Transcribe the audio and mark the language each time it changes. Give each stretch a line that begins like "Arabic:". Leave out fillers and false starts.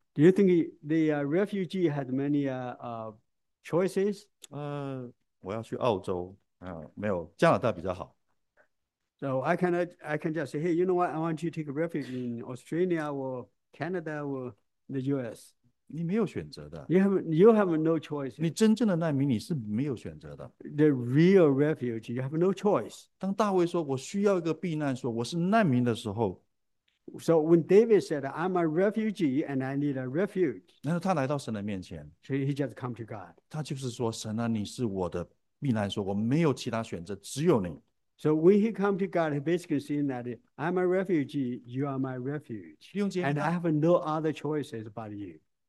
English: Do you think the refugee has many choices?
Chinese: 我要去澳洲, 没有, 加拿大比较好。
English: So I can just say, hey, you know what? I want you to take a refuge in Australia or Canada or the US.
Chinese: 你没有选择的。
English: You have no choice.
Chinese: 你真正的难民你是没有选择的。
English: The real refuge, you have no choice.
Chinese: 当大卫说我需要一个避难所, 我是难民的时候,
English: So when David said, I'm a refugee and I need a refuge,
Chinese: 然后他来到神的面前,
English: so he just come to God.
Chinese: 他就是说, 神啊, 你是我的避难所, 我没有其他选择, 只有你。
English: So when he come to God, he basically saying that, I'm a refugee, you are my refuge,
Chinese: 弟兄姐妹,
English: and I have no other choices but you.